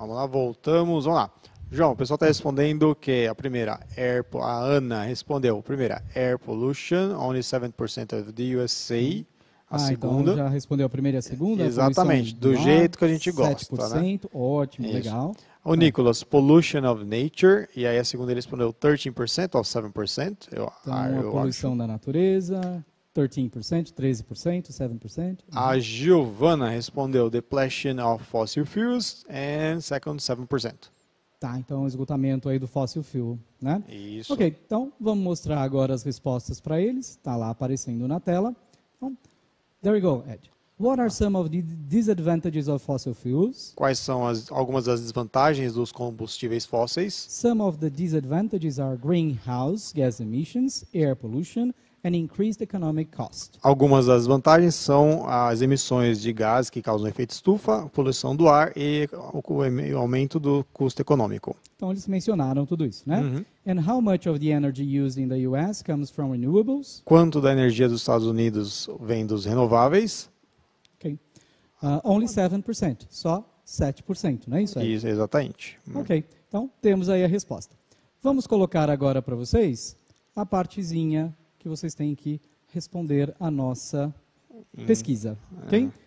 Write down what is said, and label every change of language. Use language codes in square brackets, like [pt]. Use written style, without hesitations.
[pt] Voltamos, vamos lá. João, o pessoal está respondendo que a primeira, a Ana respondeu, a primeira, [en] air pollution, only 7% of the USA, [pt] a segunda. Então já respondeu a primeira e a segunda? Exatamente, do jeito que a gente gosta. 7%, né? Ótimo, isso. Legal. O Nicolas, [en] pollution of nature, [pt] e aí a segunda ele respondeu 13% ou 7%, eu acho. Então, a poluição da natureza. 13%, 13%, 7%. A Giovana respondeu [en] depletion of fossil fuels and second 7%. [pt] Tá, então esgotamento aí do fossil fuel, né? Isso. Ok, então vamos mostrar agora as respostas para eles. Tá lá aparecendo na tela. [en] There we go, [pt] Ed. [en] What are some of the disadvantages of fossil fuels? [pt] Quais são algumas das desvantagens dos combustíveis fósseis? [en] Some of the disadvantages are greenhouse gas emissions, air pollution, and increased economic cost. [pt] Algumas das vantagens são as emissões de gás que causam efeito estufa, poluição do ar e o aumento do custo econômico. Então eles mencionaram tudo isso, né? Uh-huh. [en] And how much of the energy used in the US comes from renewables? [pt] Quanto da energia dos Estados Unidos vem dos renováveis? Okay. [en] Only 7%. [pt] Só 7%, não é isso aí? Isso, exatamente. Ok. Então temos aí a resposta. Vamos colocar agora para vocês a partezinha que vocês têm que responder a nossa pesquisa, ok? É.